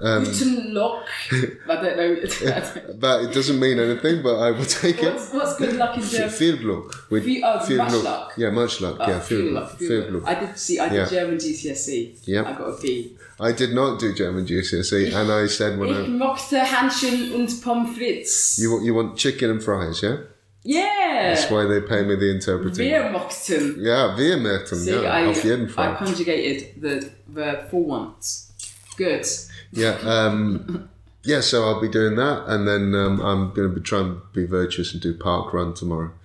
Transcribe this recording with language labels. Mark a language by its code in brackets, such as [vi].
[de] Guten Lock. [en] I don't know. But it doesn't mean anything. But I will take it. What's good luck in German? [de] Viel Glück. [en] Yeah, much luck. [de] Viel Glück. [en] I did see. German GCSE. Yeah. I got a B. I did not do German GCSE, and I said [de] Ich möchte Hähnchen und Pommes frites. [en] You want chicken and fries? Yeah. Yeah. That's why they pay me the interpreter. [de] Wir möchten. Yeah, wir möchten. [en] See, yeah. I conjugated the verb for once. Good. Yeah. yeah, so I'll be doing that. And then I'm going to be trying to be virtuous and do park run tomorrow.